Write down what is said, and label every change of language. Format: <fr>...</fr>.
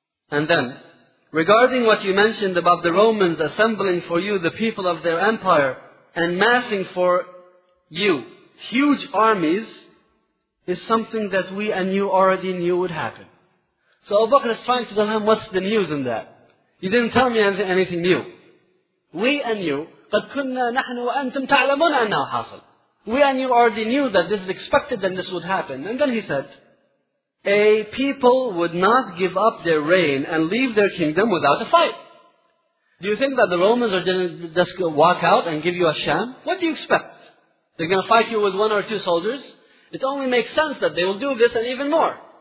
<en>And then, regarding what you mentioned about the Romans assembling for you the people of their empire and massing for you huge armies, is something that we and you already knew would happen. So Abu Bakr is trying to tell him, what's the news in that? You didn't tell me anything new. We and you,</en> <ar>فَكُنَّا نَحْنُ وَأَنْتُمْ تَعْلَمُونَ أَنَّهُ حَاصِلٌ.</ar> <en>We and you already knew that this is expected and this would happen. And then he said, a people would not give up their reign and leave their kingdom without a fight. Do you think that the Romans are going to just walk out and give you a sham? What do you expect? They're going to fight you with one or two soldiers? It only makes sense that they will do this and even more.</en>